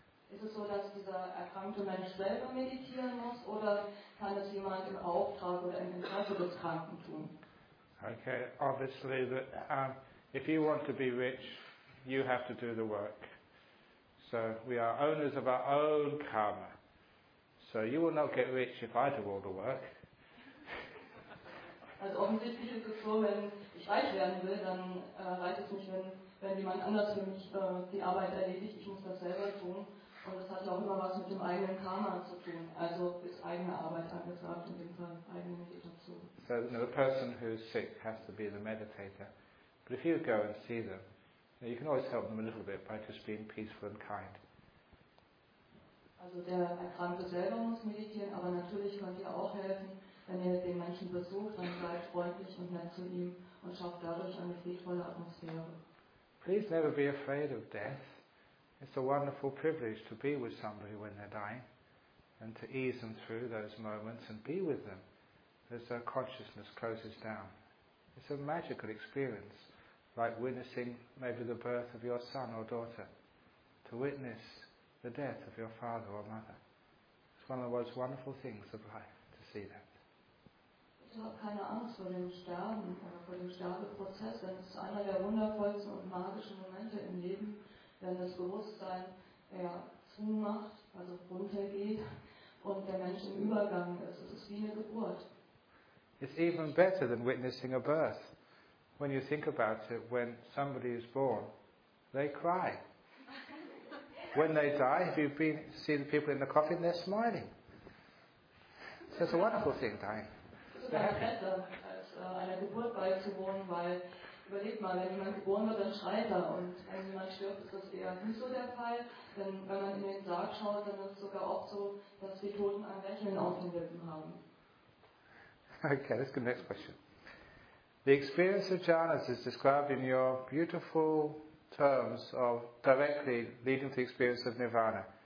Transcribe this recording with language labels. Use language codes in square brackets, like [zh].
[de] Ist es so, dass dieser erkrankte Mensch selber meditieren muss oder kann es jemand im Auftrag oder im Interesse des Kranken tun? [en] Okay, obviously, if you want to be rich, you have to do the work. So we are owners of our own karma. So you will not get rich if I do all the work. [de] Also offensichtlich ist es so, wenn ich reich werden will, dann reicht es nicht, wenn jemand anders für mich die Arbeit erledigt. Ich muss das selber tun. Und das hat ja auch immer was mit dem eigenen Karma zu tun. Also ist eigene Arbeit angesagt, in dem Fall eigene Meditation. [en] So you know, the person who is sick has to be the meditator. But if you go and see them, you can always help them a little bit by just being peaceful and kind. [de] Also der Erkrankte selber muss meditieren, aber natürlich könnt ihr auch helfen, wenn ihr den Menschen besucht, dann seid freundlich und nett zu ihm und schafft dadurch eine friedvolle Atmosphäre. [en] Please never be afraid of death. It's a wonderful privilege to be with somebody when they're dying and to ease them through those moments and be with them as their consciousness closes down. It's a magical experience. Like witnessing maybe the birth of your son or daughter, to witness the death of your father or mother. It's It's one of the most wonderful things of life to see that. [de] Ich habe keine Angst vor dem Sterben oder vor dem Sterbeprozess, denn es ist einer der wundervollsten und magischen Momente im Leben, wenn das Bewusstsein eher zumacht, also runtergeht und der Mensch im Übergang ist. Es ist wie eine Geburt. [en] It's even better than witnessing a birth. When you think about it, when somebody is born, they cry. When they die, have you been seen the people in the coffin? They're smiling. So it's a wonderful thing, dying. [de] Es ist sogar besser, als einer Geburt beizuwohnen, weil, überlegt mal, wenn jemand geboren wird, dann schreit er. Und wenn jemand stirbt, ist das eher nicht so der Fall. Denn wenn man in den Sarg schaut, dann ist es sogar oft so, dass die Toten ein Lächeln auf den Lippen haben. [en] Okay, let's go to the next question. The experience of jhanas is described in your beautiful terms of directly leading to the experience of nirvana.